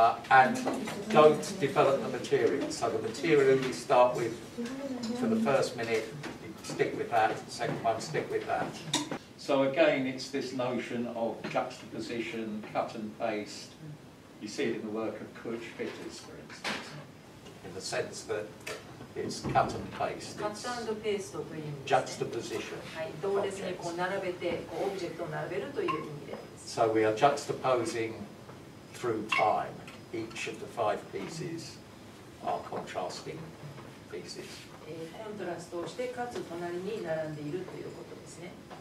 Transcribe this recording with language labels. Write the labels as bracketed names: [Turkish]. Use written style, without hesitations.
[English] And don't develop the material. So the material you start with for the first minute, stick with that, the second one, stick with that. So again, it's this notion of juxtaposition, cut and paste. You see it in the work of Kutch Fitters, for instance. In the sense that it's cut and paste. Cut and paste [Japanese] という意味ですね。 [English] Juxtaposition. [Japanese] はい、どうですね、こう並べて、こうオブジェクトを並べるという意味です。 [English] So we are juxtaposing through time. Each of the five pieces are contrasting pieces. [Japanese] コントラストをして、かつ隣に並んでいるということですね。